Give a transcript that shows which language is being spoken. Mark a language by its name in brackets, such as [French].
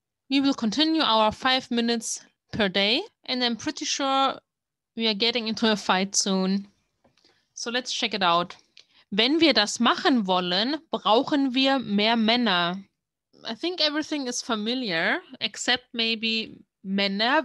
[English] We will continue our 5 minutes per day and I'm pretty sure we are getting into a fight soon. So let's check it out. [German] Wenn wir das machen wollen, brauchen wir mehr Männer. [English] I think everything is familiar, except maybe Männer.